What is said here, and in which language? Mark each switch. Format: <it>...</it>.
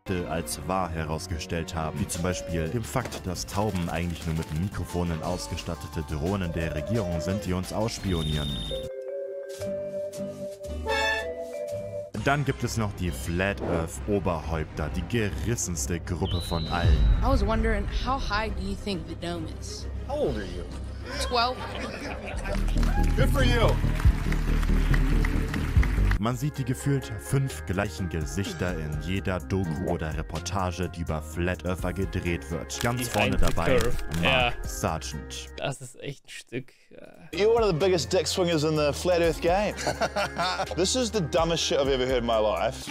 <de>Als wahr herausgestellt haben, wie zum Beispiel dem Fakt, dass Tauben eigentlich nur mit Mikrofonen ausgestattete Drohnen der Regierung sind, die uns ausspionieren. Dann gibt es noch die Flat Earth Oberhäupter, die gerissenste Gruppe von allen.</de> <en>I was wondering, how high do you think the dome is? How old are you? 12. Good for you.</en> <de>Man sieht die gefühlt 5 gleichen Gesichter in jeder Doku oder Reportage, die über Flat Earther gedreht wird. Ganz die vorne dabei, Mark Sargent. Das ist echt ein Stück.</de> <en>You're one of the biggest dick swingers in the Flat Earth game. This is the dumbest shit I've ever heard in my life.</en>